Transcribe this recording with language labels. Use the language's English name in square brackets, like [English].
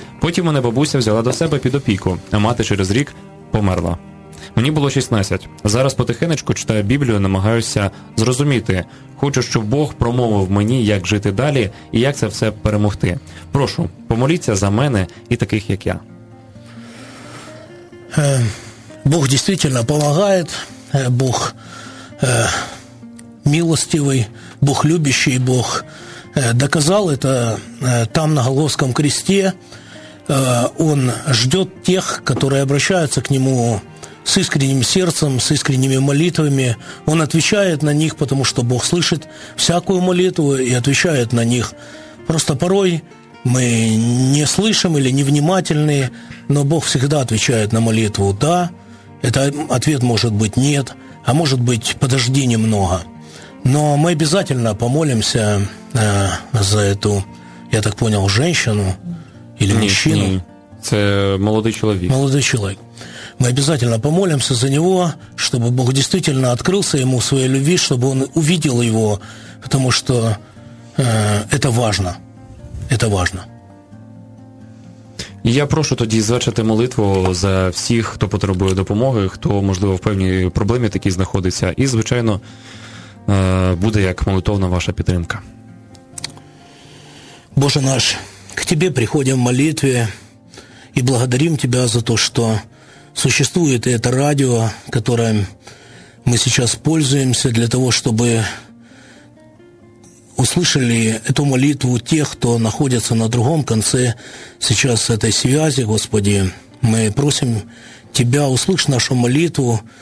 [Ukrainian] Потім мене бабуся взяла до себе під опіку, а мати через рік померла. Мені було 16. Зараз потихенечку читаю Біблію, намагаюся зрозуміти. Хочу, щоб Бог промовив мені, як жити далі і як це все перемогти. Прошу, помоліться за мене і таких, як я. Бог дійсно допомагає, Бог милостивий, [Russian] Бог любящий, Бог доказал это там, на Голгофском кресте. Он ждет тех, которые обращаются к нему с искренним сердцем, с искренними молитвами. Он отвечает на них, потому что Бог слышит всякую молитву и отвечает на них. Просто порой мы не слышим или невнимательны, но Бог всегда отвечает на молитву «да», это ответ может быть «нет», а может быть «подожди немного». Но мы обязательно помолимся за эту, я так понял, женщину или мужчину. [Ukrainian] Це молодий чоловік. Молодий чоловік. [Russian] Мы обязательно помолимся за него, чтобы Бог действительно открылся ему в своей любви, чтобы он увидел его, потому что это важно. Это важно. [Ukrainian] Я прошу тоді звершити молитву за всіх, хто потребує допомоги, хто, можливо, в певній проблемі такій знаходиться. І, звичайно, буде як молитовна ваша підтримка. [Russian] Боже наш, к Тебе приходим в молитве и благодарим Тебя за то, что существует это радио, которое мы сейчас пользуемся для того, чтобы услышали эту молитву тех, кто находится на другом конце сейчас этой связи, Господи. Мы просим Тебя, услышь нашу молитву,